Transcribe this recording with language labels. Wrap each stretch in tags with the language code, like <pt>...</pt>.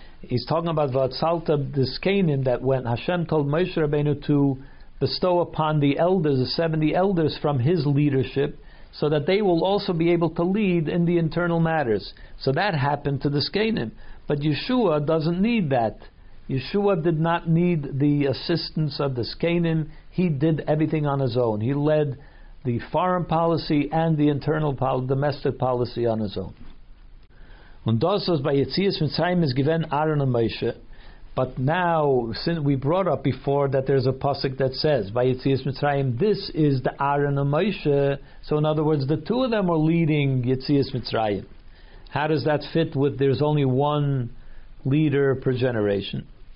<en>He's talking about Vatzalta, the Skenim, that when Hashem told Moshe Rabbeinu to bestow upon the elders, the 70 elders, from his leadership, so that they will also be able to lead in the internal matters. So that happened to the Skenim. But Yeshua doesn't need that. Yeshua did not need the assistance of the Skenim. He did everything on his own. He led the foreign policy and the internal domestic policy on his own.</en> <yi>Und das was bei Yetzias Mitzrayim ist gewen Aaron und Moshe.</yi> <en>But now, since we brought up before that there's a pasuk that says by Yetzias Mitzrayim, this is the Aaron and Moshe. So in other words, the two of them are leading Yetzias Mitzrayim. How does that fit with there's only one leader per generation?</en>